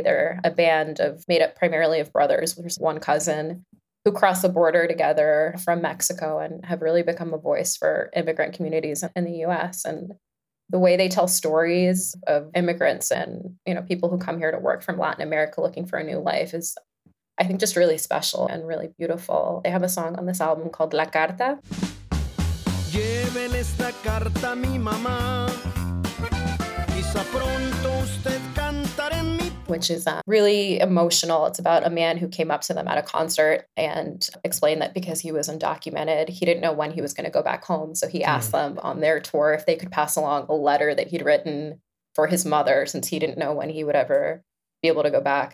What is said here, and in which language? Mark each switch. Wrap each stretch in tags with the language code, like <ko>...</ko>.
<en>They're a band of made up primarily of brothers. There's one cousin who cross the border together from Mexico and have really become a voice for immigrant communities in the U.S. And the way they tell stories of immigrants and, you know, people who come here to work from Latin America looking for a new life is, I think, just really special and really beautiful. They have a song on this album called La Carta.</en> <es>Lleven esta carta mi mamá. Quizá pronto usted cantará en mi...</es> <en>Which is really emotional. It's about a man who came up to them at a concert and explained that because he was undocumented, he didn't know when he was going to go back home. So he asked them on their tour if they could pass along a letter that he'd written for his mother, since he didn't know when he would ever be able to go back.</en>